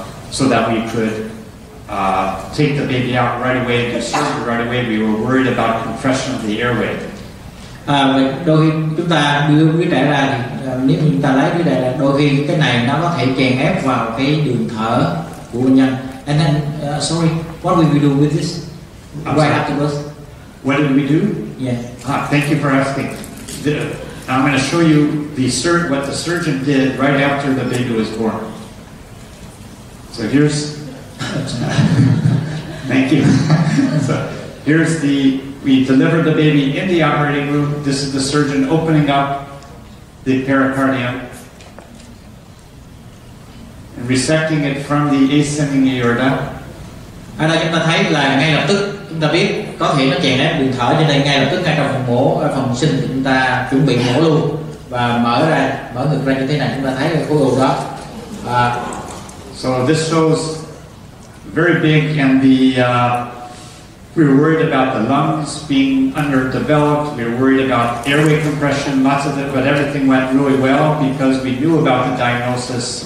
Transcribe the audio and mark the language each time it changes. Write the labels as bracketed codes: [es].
[en] So that we could take the baby out right away and do surgery right away. We were worried about compression of the airway. [vi] đôi khi chúng ta đưa quý trẻ ra thì nếu chúng ta lấy quý trẻ ra, đôi khi cái này nó có thể chèn ép vào cái đường thở của bệnh nhân. [en] And then, sorry, what will we do with this? Afterwards? What did we do? Yeah. Thank you for asking. I'm going to show you what the surgeon did right after the baby was born. So here's... Thank you. So here's the... We delivered the baby in the operating room. This is the surgeon opening up the pericardium and resecting it from the ascending aorta. [vi] Ở đây chúng ta thấy là ngay lập tức chúng ta biết có thể nó chèn ép đường thở, cho nên ngay lập tức ngay trong phòng mổ, phòng sinh chúng ta chuẩn bị mổ luôn và mở ngực ra như thế này. Chúng ta thấy cái khối u đó. [en] So this shows very big, and the we were worried about the lungs being underdeveloped. We were worried about airway compression, lots of it, but everything went really well because we knew about the diagnosis.